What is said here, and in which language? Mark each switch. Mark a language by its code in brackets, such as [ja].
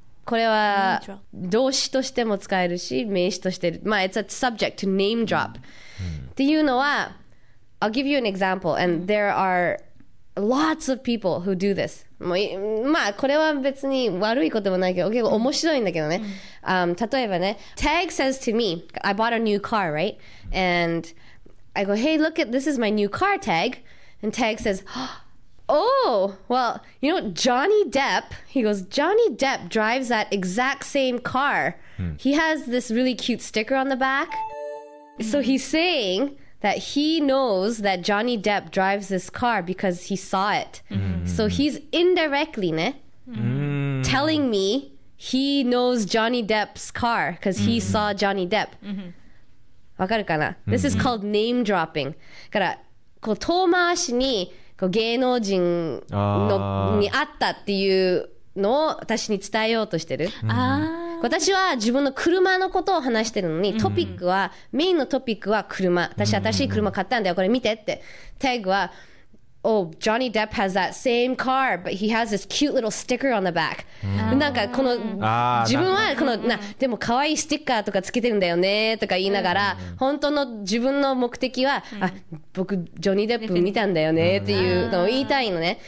[ja] これは動詞としても使えるし、名詞として、まあ、 [en] it's a subject to name drop、うん、 [ja] っていうのは、 [en] I'll give you an example, and there are lots of people who do this。 [ja] もう、まあ、これは別に悪いこともないけど、結構面白いんだけどね。 [en] うん、 [ja] 例えばね、 [en] Tag says to me, I bought a new car, right? And I go, hey, look at this is my new car, Tag. And Tag says, oh, well, you know, Johnny Depp, he goes, Johnny Depp drives that exact same car.、うん、he has this really cute sticker on the back.、うん、so he's saying that he knows that Johnny Depp drives this car because he saw it.、うん、so he's indirectly、ね、うん、telling me he knows Johnny Depp's car because he、うん、saw Johnny Depp.、うん、 [ja] わかるかな、 [en] うん、this is called name dropping. [ja] だからこう遠回しに芸能人のに会ったっていうのを私に伝えようとしてる。あ、私は自分の車のことを話してるのに、トピックは、うん、メインのトピックは車、私新しい車買ったんだよこれ見てって、タグは [en] Oh, Johnny Depp has that same car but he has this cute little sticker on the back、 [ja] うん、なんかこの自分はこのな、でも可愛いスティッカーとかつけてるんだよねとか言いながら、うん、本当の自分の目的は、うん、あ、僕ジョニーデップ見たんだよねっていうのを言いたいのね。